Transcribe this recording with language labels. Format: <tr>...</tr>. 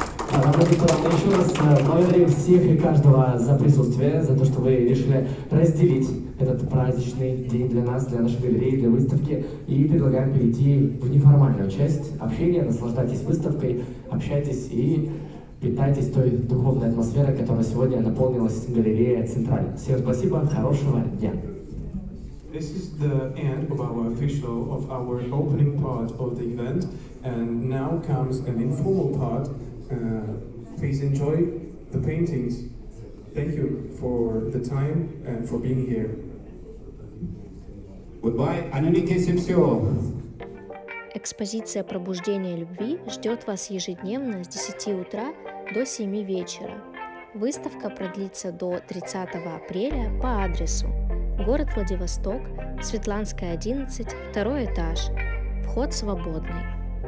<ru>Еще раз благодарим всех и каждого за присутствие, за то, что вы решили разделить этот праздничный день для нас, для нашей галереи, для выставки. И предлагаем перейти в неформальную часть общения. Наслаждайтесь выставкой, общайтесь и питайтесь той духовной атмосферой, которая сегодня наполнилась галерея «Централь». Всем спасибо, хорошего дня.</ru> <en>This is the end of our opening part of the event, and now comes an informal part. Please enjoy the paintings. Thank you for the time and for being here. Goodbye, Анелике Сипсио.</en> <ru>Экспозиция «Пробуждение любви» ждет вас ежедневно с 10 утра до 7 вечера. Выставка продлится до 30 апреля по адресу: город Владивосток, Светланская, 11, второй этаж. Вход свободный.</ru>